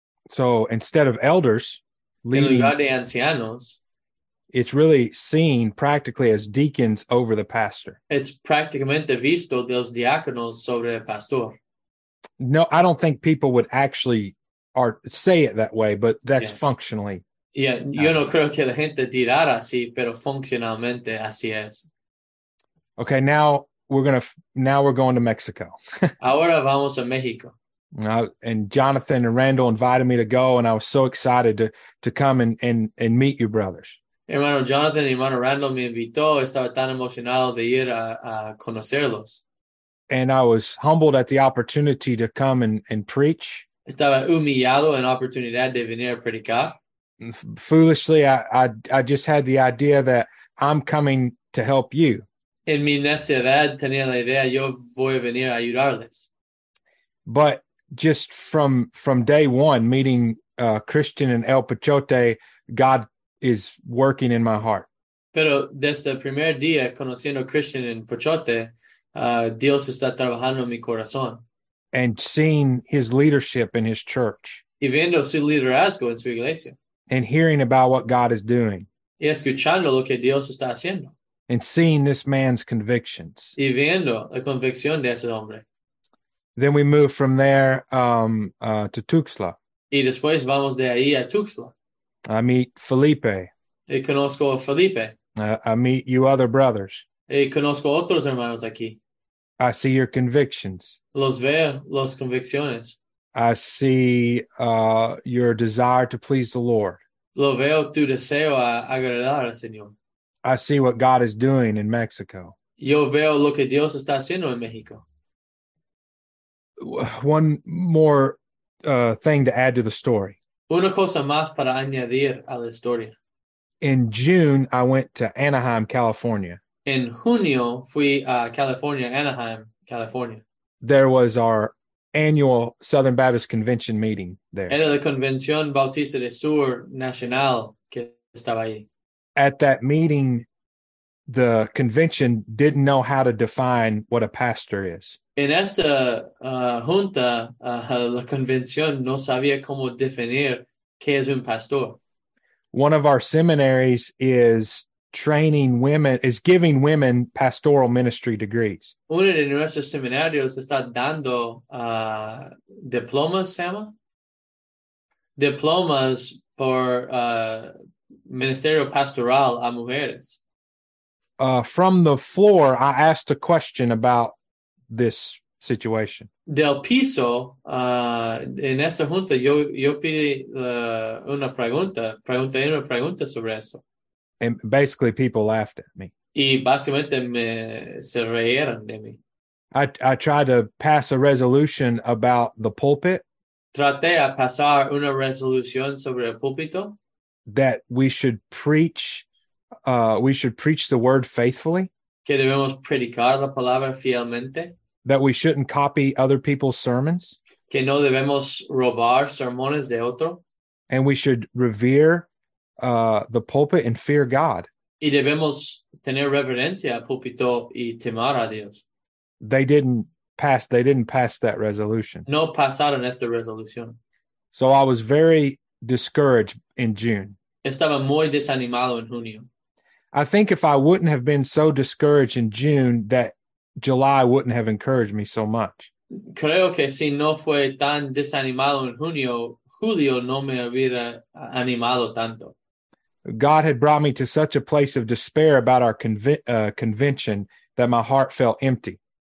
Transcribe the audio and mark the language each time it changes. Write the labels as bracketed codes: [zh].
[en] So instead of elders leading, [es] en lugar de ancianos, [en] it's really seen practically as deacons over the pastor. [es] Es prácticamente visto de los diáconos sobre el pastor. [en] No, I don't think people would actually say it that way, but that's functionally. [es] Yeah, yo no creo que la gente dirá así, pero funcionalmente así es. [en] Okay, now we're going to Mexico. [es] Ahora vamos a México. [en] And Jonathan and Randall invited me to go, and I was so excited to come and meet your brothers. [es] Hermano Jonathan y hermano Randall me invitó. Estaba tan emocionado de ir a conocerlos. [en] And I was humbled at the opportunity to come and preach. [es] Estaba humillado en la oportunidad de venir a predicar. [en] Foolishly, I just had the idea that I'm coming to help you. [es] En mi necedad tenía la idea, yo voy a venir a ayudarles. [en] But just from day one, meeting Christian and El Pachote, God is working in my heart. [es] Pero desde el primer día, conociendo Christian and Pachote, Dios está trabajando en mi corazón. [en] And seeing his leadership in his church. [es] Y viendo su liderazgo en su iglesia. [en] And hearing about what God is doing. [es] Y escuchando lo que Dios está haciendo. [en] And seeing this man's convictions. [es] Y viendo la convicción de ese hombre. [en] Then we move from there to Tuxtla. [es] Y después vamos de ahí a Tuxtla. [en] I meet Felipe. [es] Y conozco a Felipe. [en] I meet you other brothers. [es] Y conozco otros hermanos aquí. [en] I see your convictions. [es] Los veo, las convicciones. [en] I see your desire to please the Lord. [es] Lo veo tu deseo a agradar al Señor. [en] I see what God is doing in Mexico. [es] Yo veo lo que Dios está haciendo en México. [en] One more thing to add to the story. [es] Una cosa más para añadir a la historia. [en] In June, I went to Anaheim, California. [es] En junio fui a California, Anaheim, California. [en] There was our annual Southern Baptist Convention meeting there. [es] Era la Convención Bautista del Sur Nacional que estaba ahí. [en] At that meeting, the convention didn't know how to define what a pastor is. [es] En esta junta, la convención no sabía cómo definir qué es un pastor. [en] One of our seminaries is training women, is giving women pastoral ministry degrees. [es] Uno de nuestros seminarios está dando diplomas, ¿se llama? Diplomas por ministerio pastoral a mujeres. [en] From the floor, I asked a question about this situation. [es] Del piso, en esta junta, yo pedí una pregunta. Pregunté una pregunta sobre esto. [en] And basically, people laughed at me. [es] Y básicamente se reían de mí. [en] I tried to pass a resolution about the pulpit. [es] Traté a pasar una resolución sobre el púlpito. [en] That we should preach the word faithfully. [es] Que debemos predicar la palabra fielmente. [en] That we shouldn't copy other people's sermons. [es] Que no debemos robar sermones de otro. [en] And we should revere the pulpit and fear God. [es] Y debemos tener reverencia al púlpito y temor a Dios. [en] They didn't pass that resolution. [es] No pasaron esta resolución. [en] So I was very discouraged in June. [es] Estaba muy desanimado en junio. [en] I think if I wouldn't have been so discouraged in June, that July wouldn't have encouraged me so much. [es] Creo que si no fue tan desanimado en junio, julio no me hubiera animado tanto. [en] God had brought me to such a place of despair about our convention that my heart felt empty.